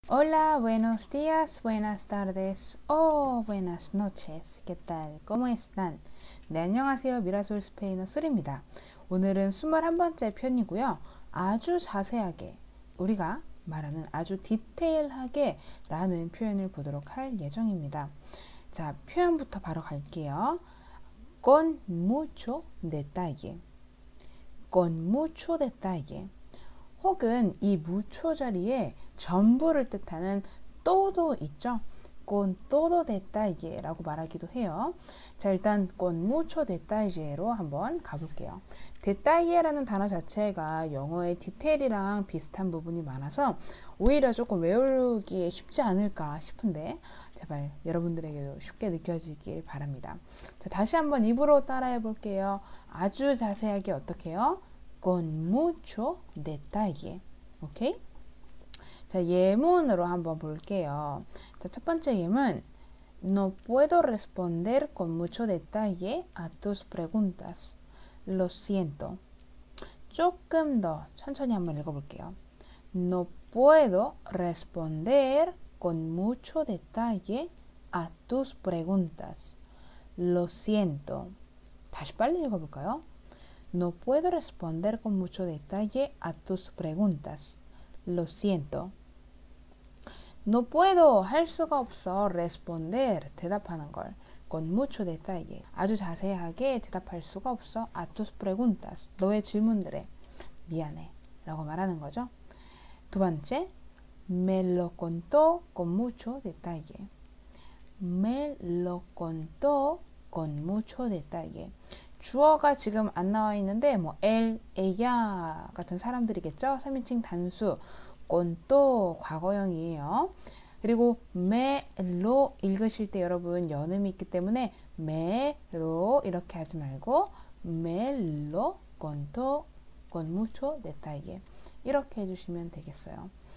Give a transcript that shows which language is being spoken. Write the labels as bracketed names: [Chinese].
[Spanish] Hola, buenos días, buenas tardes o buenas noches. ¿Qué tal? ¿Cómo están? [Korean] 네, 안녕하세요. 미라솔 스페인어 술입니다. 오늘은 21번째 편이고요. 아주 자세하게 우리가 말하는 아주 디테일하게 라는 표현을 보도록 할 예정입니다. 자, 표현부터 바로 갈게요. [Spanish] Con mucho detalle. Con mucho detalle. [Korean] 혹은 이 mucho 자리에 전부를 뜻하는 todo 있죠? [Spanish] con todo detalle [Korean] 라고 말하기도 해요. 자, 일단 [Spanish] con mucho detalle [Korean] 로 한번 가볼게요. detalle라는 단어 자체가 영어의 detail이랑 비슷한 부분이 많아서 오히려 조금 외우기에 쉽지 않을까 싶은데 제발 여러분들에게도 쉽게 느껴지길 바랍니다. 자, 다시 한번 입으로 따라해 볼게요. 아주 자세하게 어떻게요? [Spanish] con mucho detalle. 오케이? [Korean] 자, 예문으로 한번 볼게요. 자, 첫 번째 예문. [Spanish] No puedo responder con mucho detalle a tus preguntas. Lo siento. [Korean] 조금 더 천천히 한번 읽어볼게요. [Spanish] No puedo responder con mucho detalle a tus preguntas. Lo siento. [Korean] 다시 빨리 읽어볼까요? [Spanish] No puedo responder con mucho detalle a tus preguntas. Lo siento. No puedo, [Korean] 할 수가 없어, [Spanish] responder, [Korean] 대답하는 걸. [Spanish] Con mucho detalle, [Korean] 아주 자세하게 대답할 수가 없어, [Spanish] a tus preguntas, [Korean] 너의 질문들에. 미안해, 라고 말하는 거죠. 두 번째, [Spanish] me lo contó con mucho detalle. Me lo contó con mucho detalle. [Korean] 주어가 지금 안 나와 있는데 뭐 [Spanish] él, ella [Korean] 같은 사람들이겠죠? 3인칭 단수 con to 과거형이에요. 그리고 [Spanish] me lo 읽으실 때 여러분 연음이 있기 때문에 me lo 이렇게 하지 말고 me lo con to con mucho detalle [Korean] 이렇게 해주시면 되겠어요.